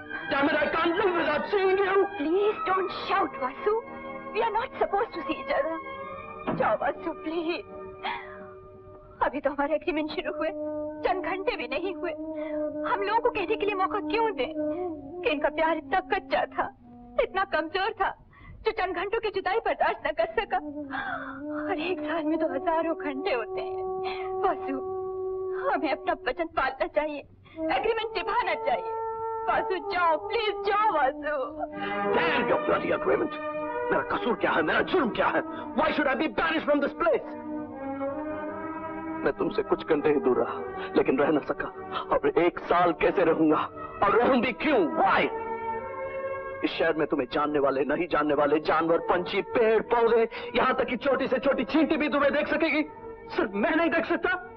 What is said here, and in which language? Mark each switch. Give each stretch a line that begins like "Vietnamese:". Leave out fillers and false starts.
English: damn it, I can't live without seeing you. Please don't shout, Vasu. We are not supposed to see each other.
Hindi: जाओ Vasu, please. अभी तो हमारे agreement शुरू हुए, चंद घंटे भी नहीं हुए। हम लोगों को कहने के लिए मौका क्यों दें? कि इनका प्यार इतना कच्चा था, इतना कमजोर था, जो चंद घंटों की जुदाई बर्दाश्त न कर सका। और एक साल में तो हजारों घंटे होते हैं। वासु, हमें अपना वचन पालना चाहिए, एग्रीमेंट निभाना चाहिए। वासु जाओ, प्लीज जाओ Vasu.
English: Damn your bloody agreement!
Hindi: मेरा कसूर क्या है? मेरा जुर्म क्या है?
English: Why should I be banished from this place?
Hindi: मैं तुमसे कुछ घंटे ही दूर रहा, लेकिन रह न सका। अब एक साल कैसे रहूंगा? और रहूंगी क्यों?
English: Why?
Hindi: इस शहर में तुम्हें जानने वाले, नहीं जानने वाले, जानवर, पंछी, पेड़ पौधे, यहाँ तक कि छोटी से छोटी चींटी भी तुम्हें देख सकेगी, सिर्फ मैं नहीं देख सकता।